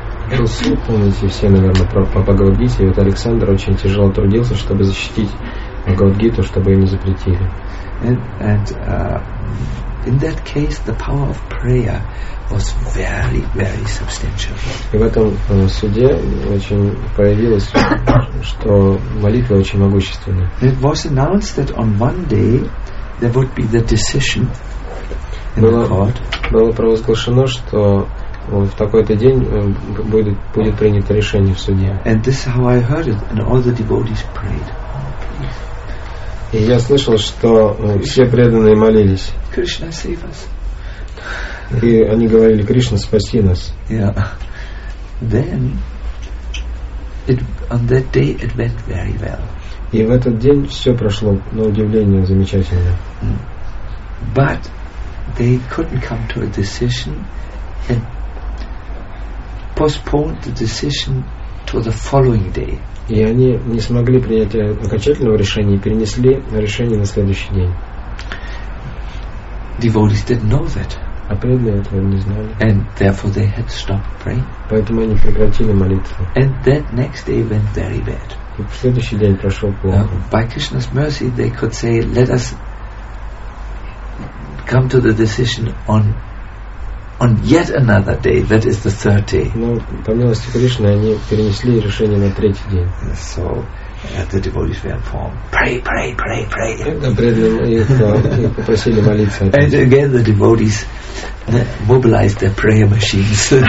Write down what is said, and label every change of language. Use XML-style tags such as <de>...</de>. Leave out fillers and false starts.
<ru>Был суд, помните, все, наверное, про Бхагавад Гиту, и вот Александр очень тяжело трудился, чтобы защитить Бхагавад Гиту, чтобы ее не запретили.</ru> <en>And In that case, the power of prayer was very, very substantial.</en> <ru>И в этом суде очень появилось, что молитва очень могущественная.</ru> <en>It was announced that on Monday there would be the decision in the court.</en> <ru>Было провозглашено, что в такой-то день будет принято решение в суде.</ru> <en>And this is how I heard it, and all the devotees prayed.</en> <ru>И я слышал, что все преданные молились.</ru> <en>Krishna, save us.</en> <ru>И они говорили: Кришна, спаси нас.</ru> <en>Yeah. Then it, on that day it went very well.</en> <ru>И в этот день все прошло, на удивление, замечательно.</ru> <en>But they couldn't come to a decision and postponed the decision to the following day.</en> <ru>И они не смогли принять окончательного решения и перенесли решение на следующий день.</ru> <en>Devotees didn't know that.</en> <ru>А преданные этого не знали.</ru> <en>And therefore they had stopped praying.</en> <ru>Поэтому они прекратили молитву.</ru> <en>And that next day went very bad.</en> <ru>И следующий день прошел плохо.</ru> <en>By Krishna's mercy, they could say, "Let us come to the decision on yet another day, that is the third day."</en> <ru>Но, по милости Кришны, они перенесли решение на третий день.</ru> <en>So, the devotees were informed, pray, pray, pray, pray.</en> <ru>И попросили молиться.</ru> <en>And again the devotees mobilized their prayer machines.</en>